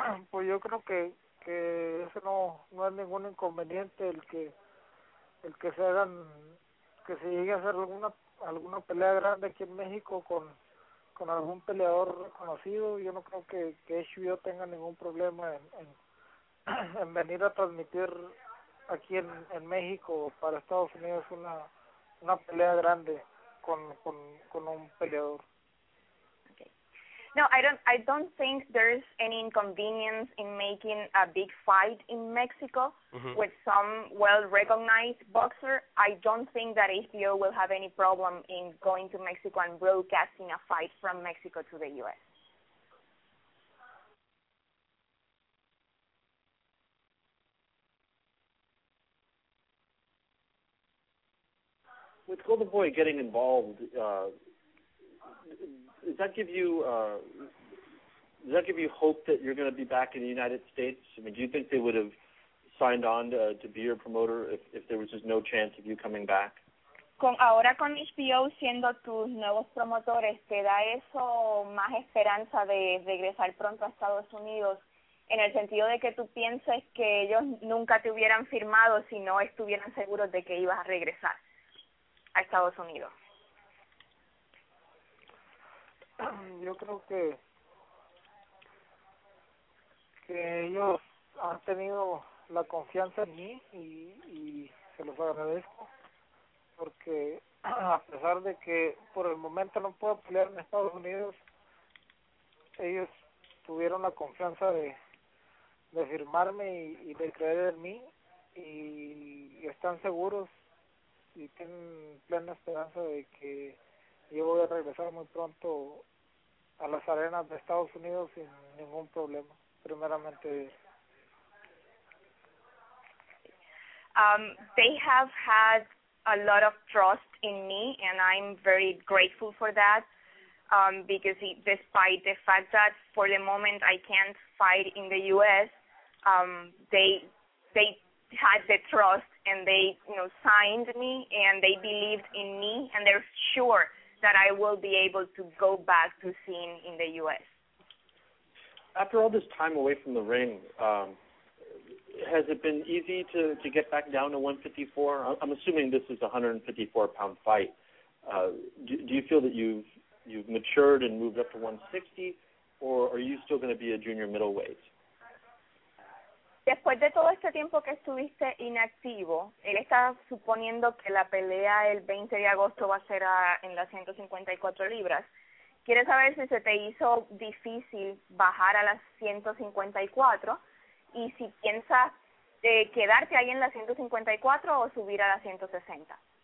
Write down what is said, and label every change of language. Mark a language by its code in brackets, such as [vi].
[es] Pues yo creo que eso no es ningún inconveniente, el que se hagan, que se llegue a hacer alguna pelea grande aquí en México con algún peleador reconocido. Yo no creo que HBO tenga ningún problema en venir a transmitir aquí en México para Estados Unidos una pelea grande con un peleador. [en] No, I don't think there's any inconvenience in making a big fight in Mexico mm-hmm. with some well-recognized boxer. I don't think that HBO will have any problem in going to Mexico and broadcasting a fight from Mexico to the U.S. With Golden Boy getting involved, Does that give you hope that you're going to be back in the United States? I mean, do you think they would have signed on to be your promoter if there was just no chance of you coming back? [es] Con ahora con HBO siendo tus nuevos promotores, ¿te da eso más esperanza de regresar pronto a Estados Unidos? En el sentido de que tú pienses que ellos nunca te hubieran firmado si no estuvieran seguros de que ibas a regresar a Estados Unidos. Yo creo que ellos han tenido la confianza en mí y se los agradezco, porque a pesar de que por el momento no puedo pelear en Estados Unidos, ellos tuvieron la confianza de firmarme y de creer en mí y están seguros y tienen plena esperanza de que yo voy a regresar muy pronto a las arenas de Estados Unidos sin ningún problema, primeramente. [en] They have had a lot of trust in me, and I'm very grateful for that, because despite the fact that for the moment I can't fight in the U.S., they had the trust, and they, you know, signed me, and they believed in me, and they're sure that I will be able to go back to seeing in the U.S. after all this time away from the ring, has it been easy to get back down to 154? I'm assuming this is a 154-pound fight. Do you feel that you've matured and moved up to 160, or are you still going to be a junior middleweight? [es] Después de todo este tiempo que estuviste inactivo, él está suponiendo que la pelea el 20 de agosto va a ser en las 154 libras. ¿Quieres saber si se te hizo difícil bajar a las 154 y si piensas quedarte ahí en las 154 o subir a las 160?